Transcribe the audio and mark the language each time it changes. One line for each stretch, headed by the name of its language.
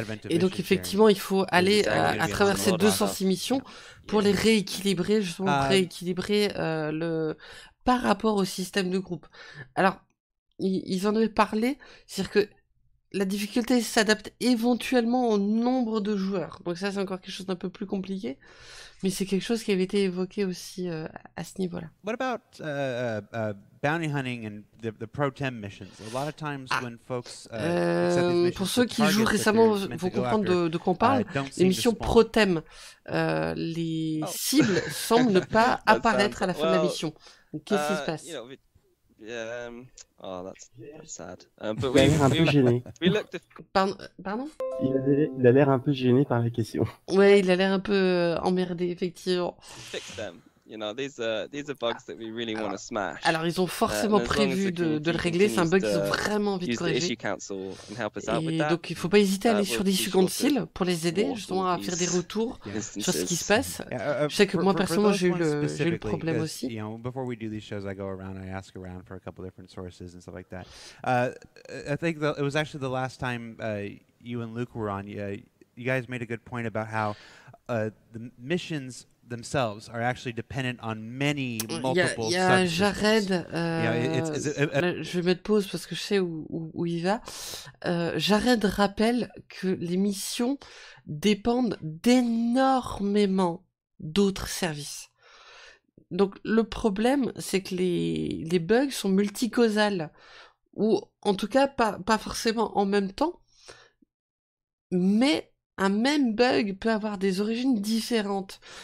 French: Et donc, effectivement, il faut aller à travers ces 206 missions pour les rééquilibrer, justement, rééquilibrer par rapport au système de groupe. Alors, ils en avaient parlé, c'est-à-dire que la difficulté s'adapte éventuellement au nombre de joueurs. Donc ça, c'est encore quelque chose d'un peu plus compliqué, mais c'est quelque chose qui avait été évoqué aussi à ce niveau-là.
English: What about bounty hunting and the pro tem missions? A lot of times when folks
French: pour ceux qui jouent récemment, vont comprendre de quoi on parle. Les missions pro tem, les cibles semblent ne pas apparaître à la fin de la mission. Donc, qu'est-ce qui se passe?
English: Yeah, oh, that's sad.
French: But il a l'air un peu gêné. Pardon? Il a l'air un peu gêné par la question. Ouais, il a l'air un peu emmerdé, effectivement.
English: Fix them. You know, these are bugs that we really want to smash.
French: Alors, ils ont forcément prévu de le régler. C'est un bug qu'ils ont vraiment envie de corriger. Et donc, il ne faut pas hésiter à aller sur des secondes cibles pour les aider, justement, à faire des retours sur ce qui se passe. Je sais que moi, personnellement, j'ai eu le problème aussi.
English: You know, before we do these shows, I go around, I ask around for a couple different sources and stuff like that. I think it was actually the last time you and Luke were on. You guys made a good point about how the missions themselves are actually dependent on many multiple subsystems.
French: Jared, je vais mettre pause parce que je sais où il va. Jared rappelle que les missions dépendent d'énormément d'autres services. Donc le problème, c'est que les bugs sont multicausales, ou en tout cas pas forcément en même temps, mais un même bug peut avoir des origines différentes.